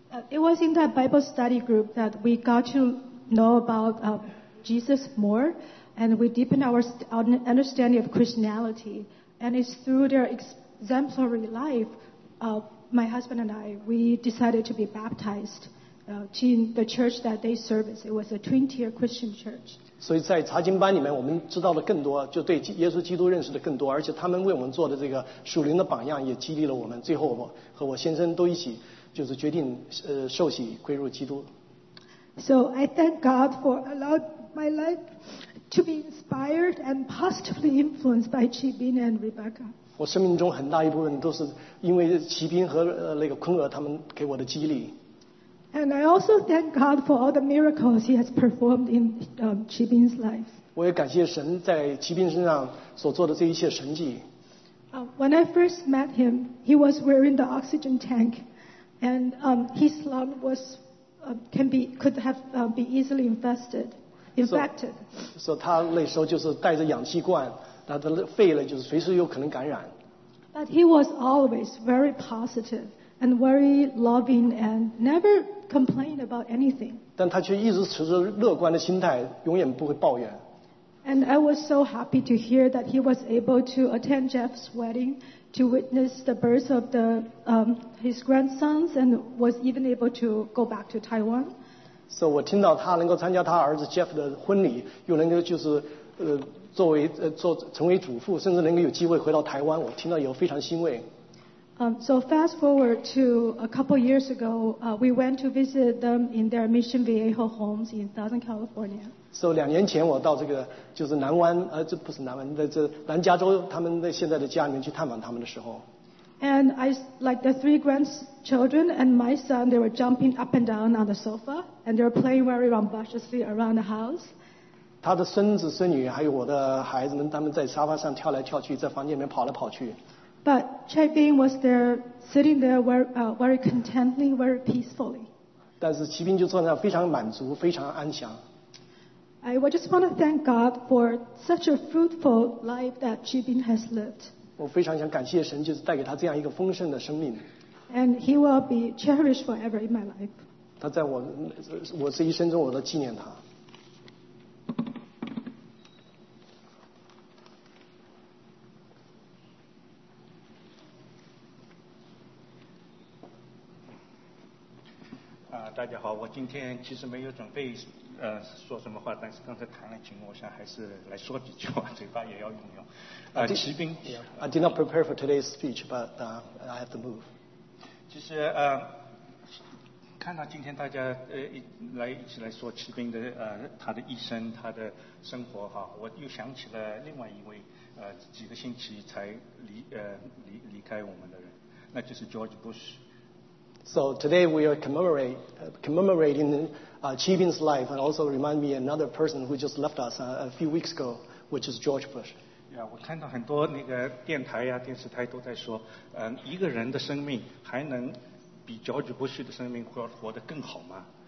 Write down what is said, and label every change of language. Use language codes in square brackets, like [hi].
[en] It was in that Bible study group that we got to know about Jesus more. And we deepen our understanding of Christianity. And it's through their exemplary life, my husband and I, we decided to be baptized to the church that they service. It was a twin-tier Christian church. [zh] 所以在查经班里面我们知道了更多就对耶稣基督认识的更多而且他们为我们做的这个属灵的榜样也激励了我们最后我和我先生都一起就是决定受洗归入基督 [en] So I thank God for allowed my life to be inspired and positively influenced by Chi Bin and Rebecca [zh] 我生命中很大一部分都是因为齐斌和那个坤儿他们给我的激励 [en] And I also thank God for all the miracles He has performed in Chi Bin's life. [zh] 我也感谢神在齐斌身上所做的这一切神迹。 [en] When I first met him, he was wearing the oxygen tank, and his lung was could have been easily infected. [zh] So 他那时候就是带着氧气罐，他的肺呢就是随时有可能感染。 [en] But he was always very positive and very loving and never. Complain about anything. [zh] 但他却一直持着乐观的心态，永远不会抱怨。 [en] And I was so happy to hear that he was able to attend Jeff's wedding to witness the birth of the his grandsons and was even able to go back to Taiwan. [zh] So 我听到他能够参加他儿子 Jeff 的婚礼，又能够就是成为祖父，甚至能够有机会回到台湾，我听到以后非常欣慰。 [en] So fast forward to a couple years ago, we went to visit them in their Mission Viejo homes in Southern California. [zh] So 两年前我到这个就是南湾，这不是南湾，这南加州他们的现在的家里面去探访他们的时候。 [en] And I, like the three grandchildren and my son, they were jumping up and down on the sofa, and they were playing very rambunctiously around the house. [zh] 他的孙子孙女还有我的孩子们，他们在沙发上跳来跳去，在房间里面跑来跑去。 [en] But Chai Bin was there, sitting there very contently, very peacefully. [zh] 但是齐斌就坐在那非常满足，非常安详。 [en] I just want to thank God for such a fruitful life that Chai Bin has lived. [zh] 我非常想感谢神，就是带给他这样一个丰盛的生命。 [en] And he will be cherished forever in my life. [zh] 他在我这一生中，我都纪念他。大家好，我今天其实没有准备说什么话，但是刚才谈了情，我想还是来说几句话，嘴巴也要用用。齐斌 [en] I did not prepare for today's speech, but I have to move. [zh] 其实看到今天大家一起来说齐斌的他的一生，他的生活哈，我又想起了另外一位几个星期才离开我们的人，那就是 George Bush。 [en] So today we are commemorating Chi Bin's life and also remind me another person who just left us a few weeks ago, which is George Bush. [zh] Yeah, 我看到很多那个电台呀、电视台都在说，一个人的生命还能比 George Bush 的生命活得更好吗？